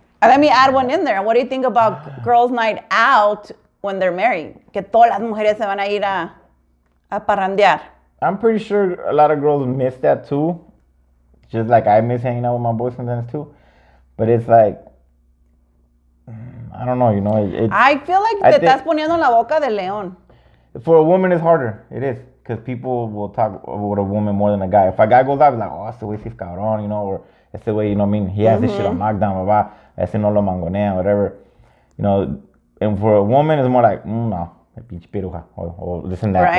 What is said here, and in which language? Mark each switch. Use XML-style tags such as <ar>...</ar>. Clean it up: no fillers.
<en>Let me add one in there. What do you think about girls' night out when they're married?</en> <es>Que todas las mujeres se van a ir a parrandear.</es> <en>I'm pretty sure a lot of girls miss that too. Just like I miss hanging out with my boys sometimes too. But it's like, I don't know, you know. I feel like</en> <es>te estás poniendo la boca de león.</es> <en>For a woman, it's harder. It is. Because people will talk about a woman more than a guy. If a guy goes out, it's like, oh, that's the way he's cabrón, you know. Or that's the way, you know what I mean? He has this shit on lockdown, blah, blah.</en> <es>Ese no lo mangonea,</es> <en>whatever. You know, and for a woman, it's more like, no,</en> <es>me pinche piruja.</es> <en>Or listen to that.</en>